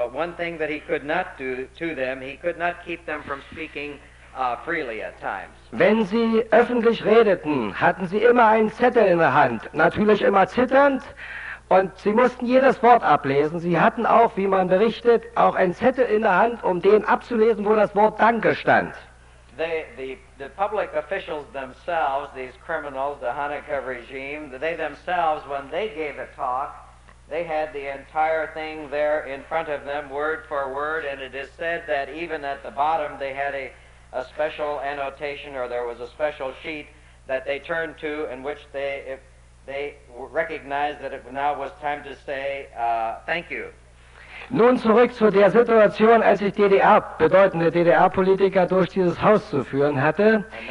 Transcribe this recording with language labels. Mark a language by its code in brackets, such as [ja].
[en] But one thing that he could not do to them, he could not keep them from speaking freely at times. [de] Wenn sie öffentlich redeten, hatten sie immer einen Zettel in der Hand, natürlich immer zitternd, und sie mussten jedes Wort ablesen. Sie hatten auch, wie man berichtet, auch einen Zettel in der Hand, um den abzulesen, wo das Wort Danke stand. [en] The public officials themselves, these criminals, the Honecker regime, they themselves, when they gave a talk, they had the entire thing there in front of them, word for word, and it is said that even at the bottom they had a special annotation, or there was a special sheet that they turned to, in which they recognized that it now was time to say thank you. [de] Nun zurück zu der Situation, als ich DDR, bedeutende DDR-Politiker, durch dieses Haus zu führen hatte.